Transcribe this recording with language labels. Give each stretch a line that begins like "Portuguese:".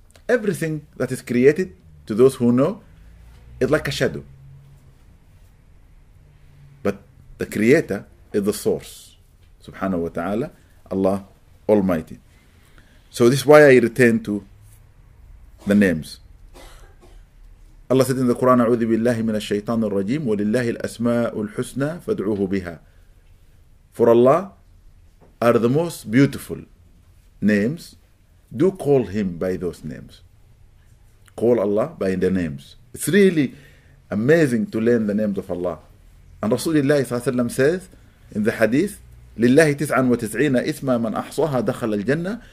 English: Everything that is created, to those who know, is like a shadow. But the creator is the source. Subhanahu wa ta'ala, Allah Almighty. So this is why I return to the names. Allah said in the Quran,
Arabic: أعوذ بالله من الشيطان الرجيم ولله الأسماء الحسنى فادعوه بها.
English: For Allah are the most beautiful names. Do call Him by those names. Call Allah by the names. It's really amazing to learn the names of Allah. And Rasulullah says in the hadith,
Arabic: لله 99 اسما من أحصاها دخل الجنة.